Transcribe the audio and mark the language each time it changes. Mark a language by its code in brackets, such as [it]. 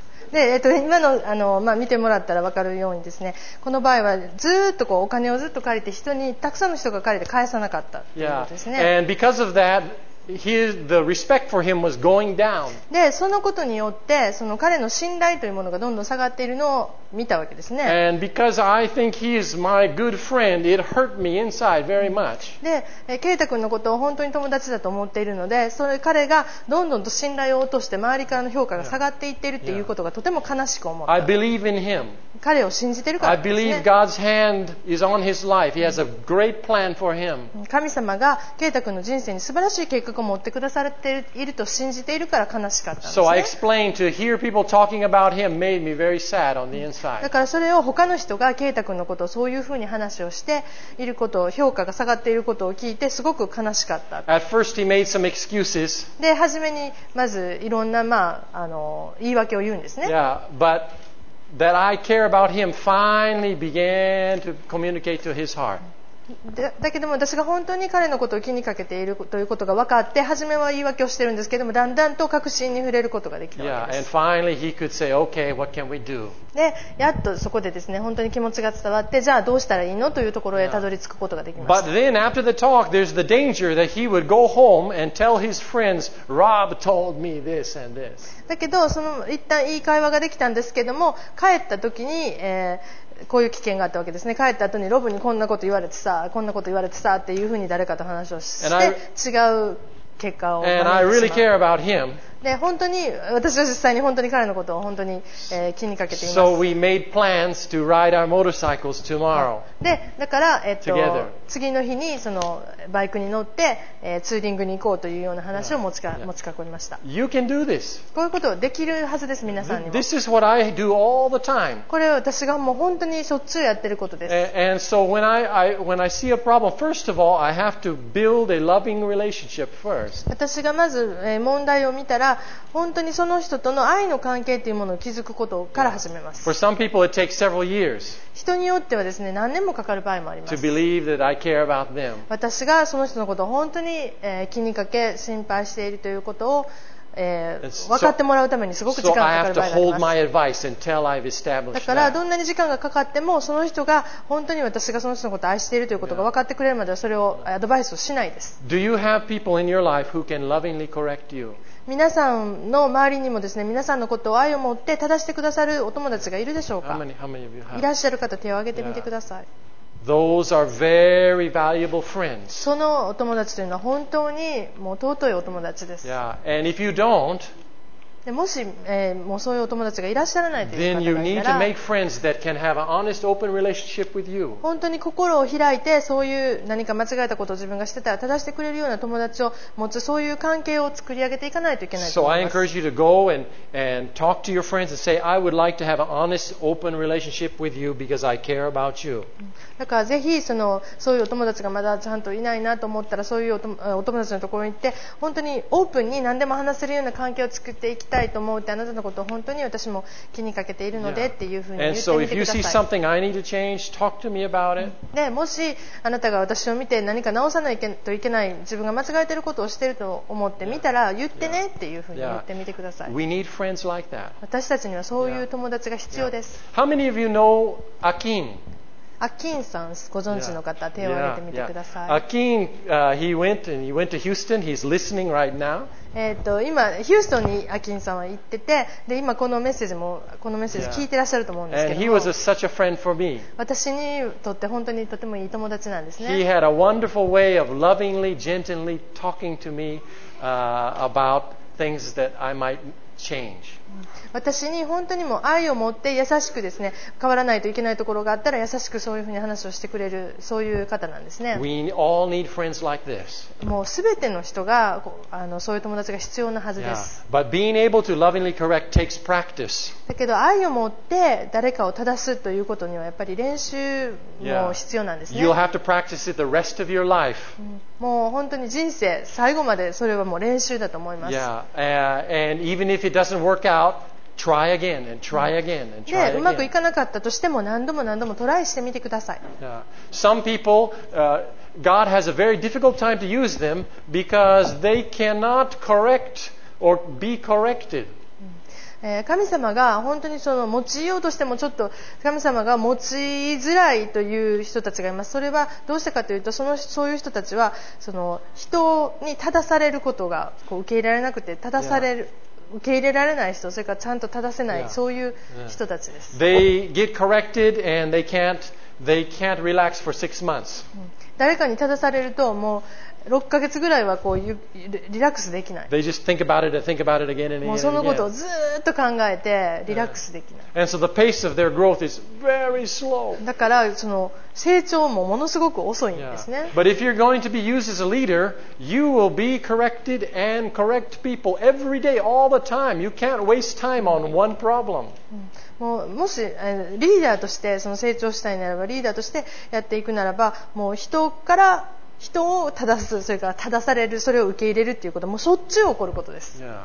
[ja] で、今の、 あの、まあ、見てもらったら分かるようにですね、この場合はずっとこうお金をずっと借りて、人にたくさんの人が借りて返さなかったっていうですね。 [en] Yeah. And because of that, the respect for him was going down. [ja] で、そのことによって、その彼の信頼というものがどんどん下がっているのを見たわけですね。 [en] And because I think he is my good friend, it hurt me inside very much. [ja] で、ケイタ君のことを本当に友達だと思っているので、それ彼がどんどんと信頼を落として周りからの評価が下がっていっているっていうことがとても悲しく思った。 [en] I believe in him. [ja] 彼を信じているからですね。 [en] I believe God's hand is on his life. He has a great plan for him. [ja] 神様がケイタ君の人生に素晴らしい計画を持ってくださっていると信じているから悲しかったんですね。 [en] So I explained to hear people talking about him made me very sad on the inside. [ja] だからそれを他の人が啓太君のことをそういうふうに話をしていることを評価が下がっていることを聞いてすごく悲しかった。 [en] At first he made some excuses. [ja] で、初めにまずいろんな、まあ、言い訳を言うんですね。 [en] Yeah, butThat I care about him finally began to communicate to his heart. [ja] だけども私が本当に彼のことを気にかけているということが分かって、初めは言い訳をしているんですけども、だんだんと確信に触れることができたわけです。 [en] Yeah, and finally he could say, okay, what can we do? [ja] で、やっとそこでですね、本当に気持ちが伝わって、じゃあどうしたらいいのというところへたどり着くことができました。 [en] But then after the talk, there's the danger that he would go home and tell his friends, Rob told me this and this. [ja] だけどその一旦いい会話ができたんですけども帰った時に、こういう危険があったわけですね。帰った後にロブにこんなこと言われてさ、こんなこと言われてさっていうふうに誰かと話をして違う結果を [en] And I really care about him. [ja] で本当に私は実際に本当に彼のことを本当に、気にかけています。 [en] So we made plans to ride our motorcycles tomorrow. [ja] でだから、次の日にそのバイクに乗って、ツーリングに行こうというような話を持ちかこりました。 [en] You can do this. [ja] こういうことできるはずです皆さんにも。 [en] This is what I do all the time. [ja] これは私がもう本当にしょっちゅうやってることです。 [en] And so when I see a problem, first of all, I have to build a loving relationship first. [ja] 私がまず問題を見たら本当にその人との愛の関係というものを築くことから始めます。 [en] For some people, it takes several years. [ja] 人によってはですね何年もかかる場合もあります。 [en] To believe that I care about them. [ja] 私がその人のことを本当に、気にかけ心配しているということを、分かってもらうためにすごく時間がかかる場合があります。 [en] So I have to hold my advice until [ja] だからどんなに時間がかかってもその人が本当に私がその人のことを愛しているということが分かってくれるまではそれをアドバイスをしないです。 [en] Do you have people in your life who can lovingly correct you? [ja] 皆さんの周りにもですね皆さんのことを愛を持って正してくださるお友達がいるでしょうか。 [en] how many of you have? [ja] いらっしゃる方手を挙げてみてください、yeah. [en] Those are very valuable friends. [ja] そのお友達というのは本当にもう尊いお友達です。 [en] Yeah. And if you don't, [ja] でもし、もうそういうお友達がいらっしゃらないという方がいたら、 [en] then you need to make friends that can have an honest, open relationship with you. [ja] 本当に心を開いてそういう何か間違えたことを自分がしてたら正してくれるような友達を持つそういう関係を作り上げていかないといけないと思います。 [en] So I encourage you to go and talk to your friends and say, I would like to have an honest, open relationship with you because I care about you. [ja] だからぜひそういうお友達がまだちゃんといないなと思ったらそういうお友達のところに行って本当にオープンに何でも話せるような関係を作っていきたいと思うってあなたのことを本当に私も気にかけているのでっていうふうに言ってみてください。 [en] And so if you see something I need to change, talk to me about it. [ja] でもしあなたが私を見て何か直さないといけない自分が間違えていることをしていると思って見たら言ってねっていうふうに言ってみてください。 [en] We need friends like that. [ja] 私たちにはそういう友達が必要です。 [en] How many of you know Akin? [ja] アキンさん、ご存知の方、yeah. 手を挙げてみてください。 [en] アキン、he went to Houston. He's listening right now. [ja] 今ヒューストンにアキンさんは行ってて、で今このメッセージもこのメッセージ聞いてらっしゃると思うんですけども。 [en] And he was such a friend for me. [ja] 私にとって本当にとてもいい友達なんですね。 [en] He had a wonderful way of lovingly, gently talking to me, about things that I might change. [ja] 私に本当にも愛を持って優しくですね変わらないといけないところがあったら優しくそういうふうに話をしてくれるそういう方なんですね。 [en] We all need friends like this. [ja] もう全ての人がそういう友達が必要なはずです。 [en] Yeah. But being able to lovingly correct takes practice. [ja] だけど愛を持って誰かを正すということにはやっぱり練習も必要なんですね。 [en] You'll have to practice it the rest of your life. [ja] もう本当に人生最後までそれはもう練習だと思います。 [en] Yeah. And even if it doesn't work outTry again and try again and try again. [ja] うまくいかなかったとしても何度も何度もトライしてみてください。 [en] Some people, God has a very difficult time to use them because they cannot correct or be corrected. [ja] 神様が本当に用いようとしてもちょっと神様が用いづらいという人たちがいます。それはどうしてかというとそういう人たちは人に正されることが受け入れられなくて正される、yeah. 受け入れられない人、それからちゃんと正せない、そういう人たちです。 [en] They get corrected and they can't relax for six months. [ja] 誰かに正されると、もう6ヶ月ぐらいはこうリラックスできない。 [en] They just think about it and think about it again and again. [ja] もうそのことをずっと考えてリラックスできない。 [en] And so the pace of their growth is very slow. [ja] だからその成長もものすごく遅いんですね。 [en] But if you're going to be used as a leader, you will be corrected and correct people every day, all the time. You can't waste time on one problem. [ja] もうもしリーダーとしてその成長したいならば、リーダーとしてやっていくならば、もう人から人を正す、それから正される、それを受け入れるということもしょっちゅう起こることです。